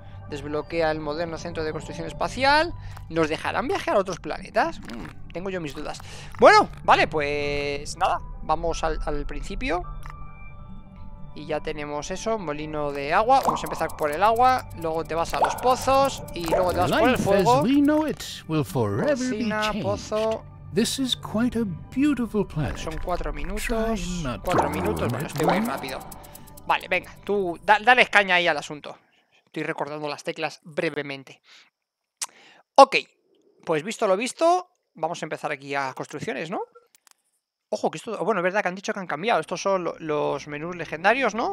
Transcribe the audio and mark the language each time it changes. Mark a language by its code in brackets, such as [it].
[es] Desbloquea el moderno centro de construcción espacial. ¿Nos dejarán viajar a otros planetas? Tengo yo mis dudas. Bueno, vale, pues nada. Vamos al principio. Y ya tenemos eso. Molino de agua. Vamos a empezar por el agua. Luego te vas a los pozos. Y luego te vas por el fuego. Cocina, pozo. [en] This is quite a beautiful planet. [es] Son 4 minutos. 4 minutos, bueno, estoy muy rápido. Vale, venga, tú dale caña ahí al asunto. Estoy recordando las teclas brevemente. Ok, pues visto lo visto, vamos a empezar aquí a construcciones, ¿no? Ojo, que esto... Bueno, es verdad que han dicho que han cambiado. Estos son los menús legendarios, ¿no?